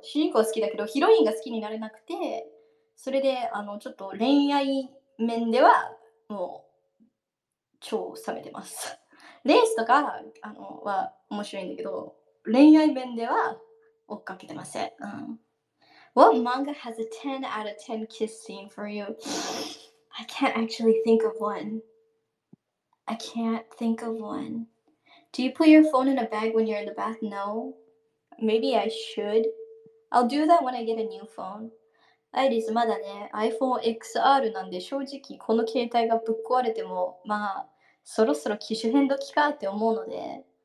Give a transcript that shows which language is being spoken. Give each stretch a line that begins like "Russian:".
Japanese: 主人公は好きだけど、ヒロインが好きになれなくて、それで、ちょっと恋愛面では、もう、超冷めてます。レースとか、は面白いんだけど、恋愛面では追っかけてません。
English: What manga has a 10 out of 10 kiss scene for you? I can't actually think of one. I can't think of one. Do you put your phone in a bag when you're in the bath? No. Maybe I should. I'll do that when I get a new phone.
Japanese: アイリス、まだね、iPhone XR なんで正直この携帯がぶっ壊れても、まあ、そろそろ機種変動かって思うので。